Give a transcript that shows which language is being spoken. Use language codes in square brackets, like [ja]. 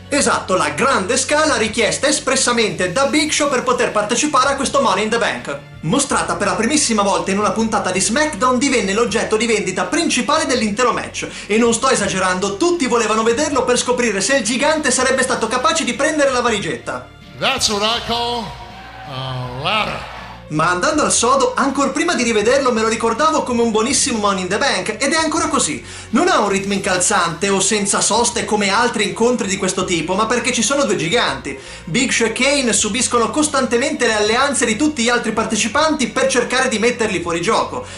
[it] Esatto, la grande scala richiesta espressamente da Big Show per poter partecipare a questo Money in the Bank. Mostrata per la primissima volta in una puntata di SmackDown, divenne l'oggetto di vendita principale dell'intero match. E non sto esagerando, tutti volevano vederlo per scoprire se il gigante sarebbe stato capace di prendere la valigetta. [en] That's what I call a ladder. [it] Ma andando al sodo, ancor prima di rivederlo me lo ricordavo come un buonissimo Money in the Bank, ed è ancora così. Non ha un ritmo incalzante o senza soste come altri incontri di questo tipo, ma perché ci sono due giganti. Big Show e Kane subiscono costantemente le alleanze di tutti gli altri partecipanti per cercare di metterli fuori gioco.